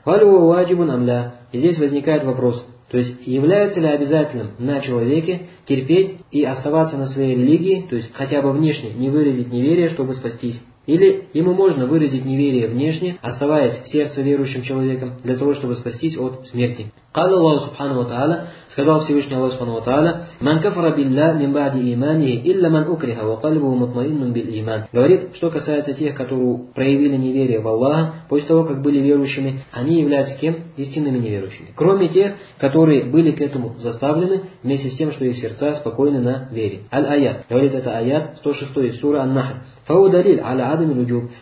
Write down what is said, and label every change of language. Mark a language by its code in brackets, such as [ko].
[ru] Валю ваджибу намля. И здесь возникает вопрос. То есть является ли обязательным на человеке терпеть и оставаться на своей религии, то есть хотя бы внешне не выразить неверие, чтобы спастись? Или ему можно выразить неверие внешне, оставаясь в сердце верующим человеком, для того, чтобы спастись от смерти? [ar] قال الله سبحانه وتعالى [ru] сказал Всевышний Аллах [ar] سبحانه وتعالى من كفر بالله من بعد إيمانه إلا من أكره وقلبه مطمئن بالإيمان. [ru] Говорит, что касается тех, которые проявили неверие в Аллаха после того, как были верующими, они являются кем? Истинными неверующими. Кроме тех, которые были к этому заставлены вместе с тем, что их сердца спокойны на вере. Аль-Аят. Говорит, это аят 106 из суры Ан-Нахл. [ar] فهو دليل على عدم الوجوب.